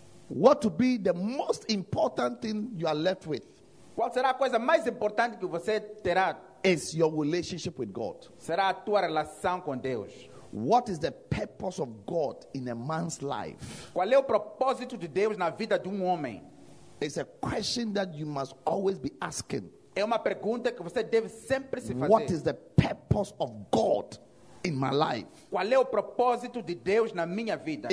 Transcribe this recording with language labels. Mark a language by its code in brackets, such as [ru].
[en] what will be the most important thing you are left with? [pt] Qual será a coisa mais importante que você terá? [en] Is your relationship with God. [pt] Será a tua relação com Deus. [en] What is the purpose of God in a man's life? [pt] Qual é o propósito de Deus na vida de homem? [en] It's a question that you must always be asking. [pt] É uma pergunta que você deve sempre se fazer. [en] What is the purpose of God in my life? [pt] Qual é o propósito de Deus na minha vida?